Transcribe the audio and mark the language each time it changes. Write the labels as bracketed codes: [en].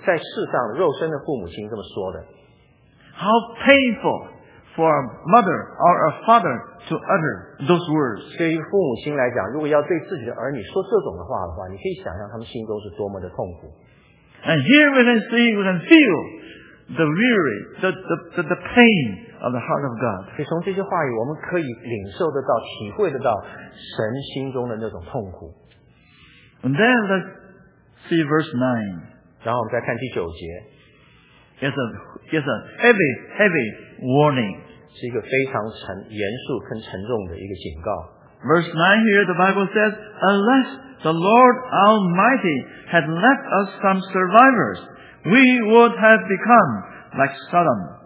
[zh] 你如果想象这句话是从一个在世上肉身的父母亲这么说的。 [en] How painful for a mother or a father to utter those words. [zh] 对于父母亲来讲，如果要对自己的儿女说这种的话的话，你可以想象他们心中是多么的痛苦。 [en] And here we can see, we can feel the weary, the pain of the heart of God. [zh] 所以从这些话语，我们可以领受得到、体会得到神心中的那种痛苦。 [en] And then let's see verse 9. [zh] 然后我们再看第九节。 [en] It's a heavy, heavy warning. [zh] 是一个非常严肃跟沉重的一个警告。 [en] Verse 9 here, the Bible says, Unless the Lord Almighty had left us some survivors, we would have become like Sodom.